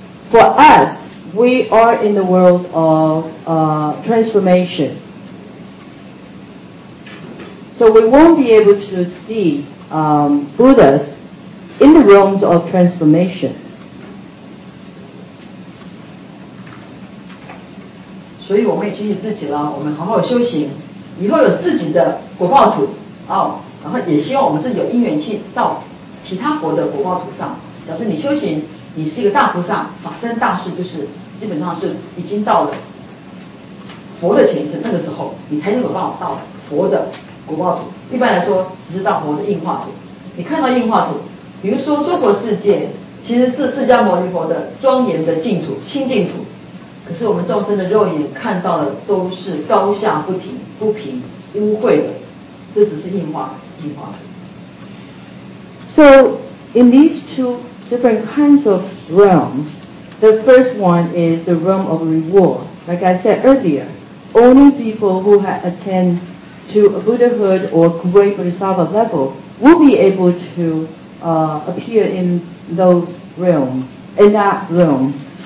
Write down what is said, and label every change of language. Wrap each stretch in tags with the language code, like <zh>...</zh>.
<en>For us, we are in the world of transformation. So we won't be able to see Buddhas in the realms of transformation.</en> <zh>所以我们也提醒自己了，我们好好修行，以后有自己的果报土啊、哦，然后也希望我们自己有因缘去到其他国的果报土上。假设你修行，你是一个大菩萨、法身大士，就是基本上是已经到了佛的前身，那个时候你才能够到佛的果报土。一般来说，只是到佛的应化土。你看到应化土，比如说娑婆世界，其实是释迦牟尼佛的庄严的净土、清净土。可是我们众生的肉眼看到的都是高下不停、不平、污秽的，这只是硬化。</zh> <en>So in these two different kinds of realms, the first one is the realm of reward. Like I said earlier, only people who have attained to a Buddhahood or great Bodhisattva level will be able to appear in those realms, in that realm.</en>